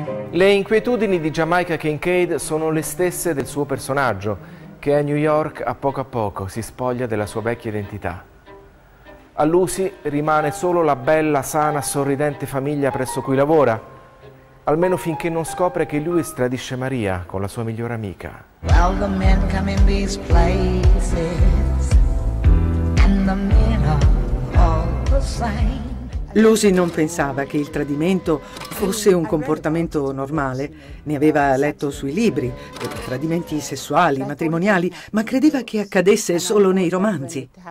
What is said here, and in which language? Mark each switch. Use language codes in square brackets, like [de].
[it] Le inquietudini di Jamaica Kincaid sono le stesse del suo personaggio, che a New York a poco si spoglia della sua vecchia identità. A Lucy rimane solo la bella, sana, sorridente famiglia presso cui lavora, almeno finché non scopre che Lewis tradisce Maria con la sua migliore amica. [en] Well, the men come in these places, and the men are all the same. [it] Lucy non pensava che il tradimento fosse un comportamento normale. Ne aveva letto sui libri, tradimenti sessuali, matrimoniali, ma credeva che accadesse solo nei romanzi.